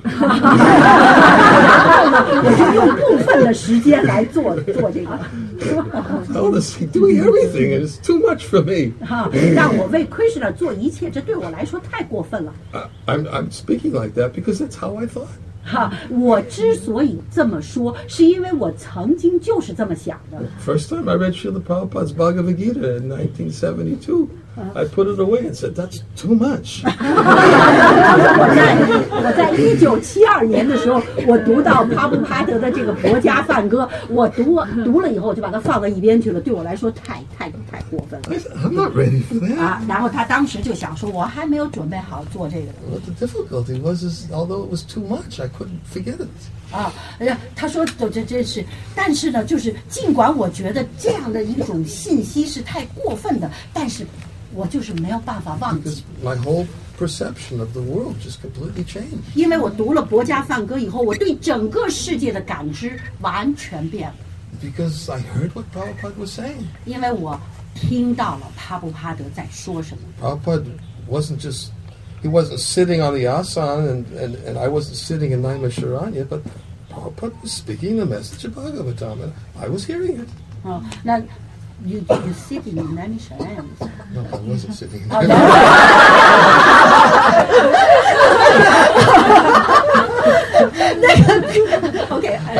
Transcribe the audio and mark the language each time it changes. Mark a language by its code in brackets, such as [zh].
[en] Honestly, doing everything is too much for me. I'm speaking like that because that's how I thought. [zh] 我之所以这么说是因为我曾经就是这么想的。 [en] First time I read Srila Prabhupada's Bhagavad Gita in 1972 I put it away and said that's too much. [zh] 我在1972年的时候我读到帕布帕德的这个博家梵歌，我读了以后就把它放到一边去了，对我来说太过分了。 [en] I'm not ready for that. [zh] 然后他当时就想说我还没有准备好做这个。 [en] But the difficulty was although it was too much I couldn't forget it. [zh] 他说这真是，但是呢就是尽管我觉得这样的一种信息是太过分的，但是我就是没有办法忘记。 [en] Because my whole perception of the world just completely changed. [zh] 因为我读了《博家梵歌》以后，我对整个世界的感知完全变了。 [en] Because I heard what Prabhupada was saying. [zh] 因为我听到了帕布帕德在说什么。 [en] Prabhupada wasn't just he wasn't sitting on the asan and I wasn't sitting in Naimisharanya, but Prabhupada was speaking the message of Bhagavatam and I was hearing it. 那。You sitting in Naimisharanya? No, I wasn't sitting in Naimisharanya.